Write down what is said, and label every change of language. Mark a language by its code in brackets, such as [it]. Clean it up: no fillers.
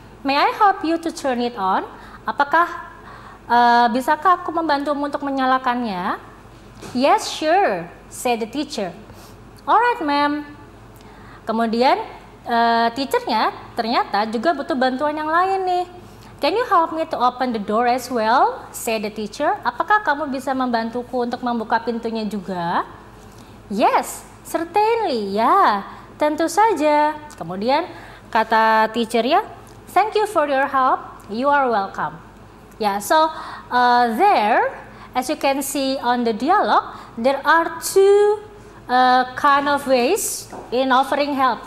[en] May I help you to turn it on? [id] Apakah bisakah aku membantumu untuk menyalakannya? [en] Yes, sure, said the teacher. Alright, ma'am. [id] Kemudian teachernya ternyata juga butuh bantuan yang lain nih. [en] Can you help me to open the door as well? Said the teacher. [id] Apakah kamu bisa membantuku untuk membuka pintunya juga? [en] Yes, certainly, [id] ya. Tentu saja. Kemudian kata teacher ya, [en] thank you for your help. You are welcome. Ya, yeah, so there, as you can see on the dialogue, there are two kind of ways in offering help.